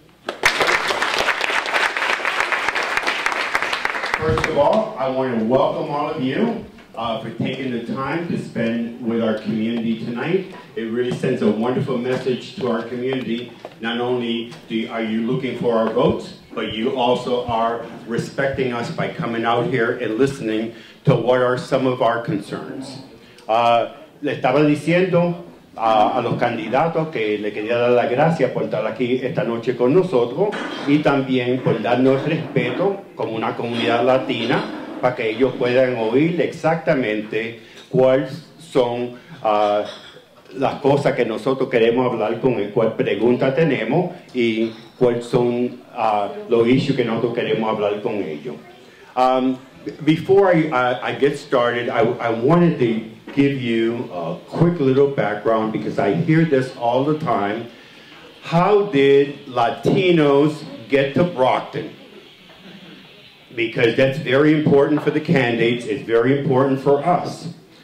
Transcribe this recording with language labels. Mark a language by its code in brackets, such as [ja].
[en] First of all, I want to welcome all of you for taking the time to spend with our community tonight. It really sends a wonderful message to our community. Not only are you looking for our votes, but you also are respecting us by coming out here and listening to what are some of our concerns. [es] Le estaba diciendo a los candidatos que le quería dar las gracias por estar aquí esta noche con nosotros y también por darnos respeto como una comunidad latina para que ellos puedan oír exactamente cuáles son las cosas que nosotros queremos hablar con él, cuál pregunta tenemos y cuáles son los issues que nosotros queremos hablar con ellos. [en] Before I get started, I wanted to give you a quick little background because I hear this all the time. How did Latinos get to Brockton? Because that's very important for the candidates, it's very important for us.